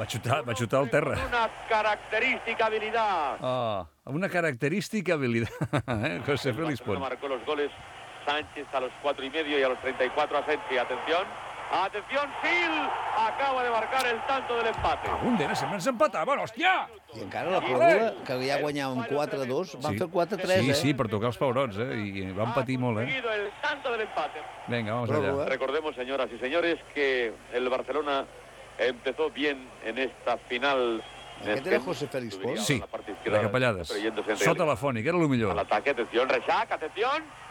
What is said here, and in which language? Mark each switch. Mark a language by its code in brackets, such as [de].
[ca] Va xutar al terra. [es] Una característica habilidad. Oh, una característica habilidad. José Félix Pont. Marcó los goles Sánchez a los 4 y medio y a los 34 Asensi. Atención. Atención, Gil acaba de marcar el tanto del empate. [ca] A un d'ells sempre ens empataven, hòstia! I encara la pròrroga, que ja guanyàvem 4-2, van fer 4-3, sí, eh? Sí, sí, per tocar els pebrots, eh? I van patir molt, eh? [es] El tanto del empate. Venga, vamos allá. Recordemos, señoras y señores, que el Barcelona empezó bien en esta final. [ca] Aquest era José Félix Pons? Sí, de Capellades. Sota la Foni, que era el millor. [es] A l'ataque, atención, Reixac, atención.